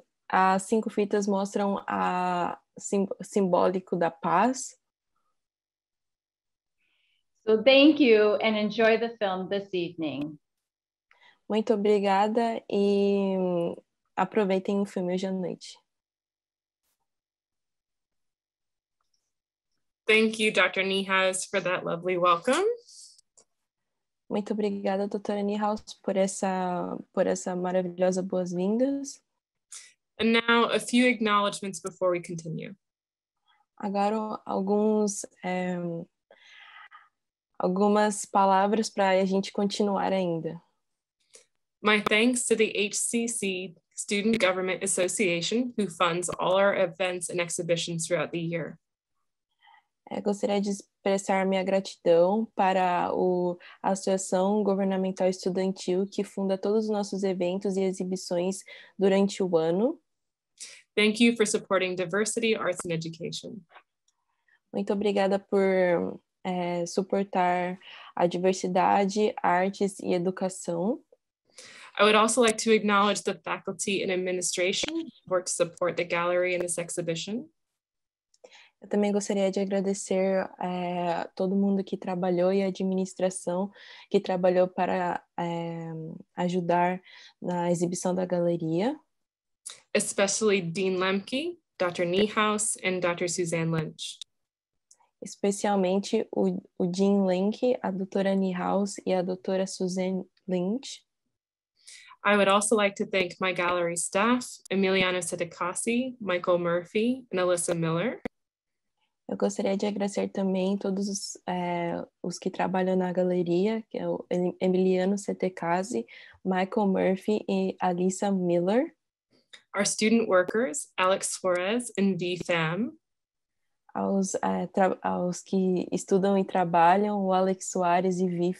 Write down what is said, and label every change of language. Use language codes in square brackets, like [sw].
[pt] As cinco fitas mostram a simbólico da paz. [en] So thank you and enjoy the film this evening. [pt] Muito obrigada e aproveitem o filme hoje à noite. [en] Thank you, Dr. Niehaus, for that lovely welcome. [pt] Muito obrigada, doutora Niehaus, por essa maravilhosa boas-vindas. [en] And now a few acknowledgements before we continue. [pt] Agora alguns algumas palavras para a gente continuar ainda. [en] My thanks to the HCC Student Government Association, who funds all our events and exhibitions throughout the year. [pt] Gostaria de expressar minha gratidão para a Associação Governamental Estudantil, que funda todos os nossos eventos e exibições durante o ano. [en] Thank you for supporting diversity, arts and education. [pt] Muito obrigada por suportar a diversidade, artes e educação. [en] I would also like to acknowledge the faculty and administration for to support the gallery and this exhibition. [pt] Eu também gostaria de agradecer todo mundo que trabalhou e a administração que trabalhou para ajudar na exibição da galeria. [en] Especially Dean Lemke, Dr. Niehaus, and Dr. Suzanne Lynch. [pt] Especialmente o Dean Lemke, a doutora Niehaus e a doutora Suzanne Lynch. [en] I would also like to thank my gallery staff, Emiliano Sedicassi, Michael Murphy, and Alyssa Miller. [pt] Eu gostaria de agradecer também todos os que trabalham na galeria, que é o Emiliano Setecasi, Michael Murphy e Alyssa Miller. [en] Our student workers, Alex Suarez and V. Pham. [pt] Aos que estudam e trabalham, o Alex Soares e V.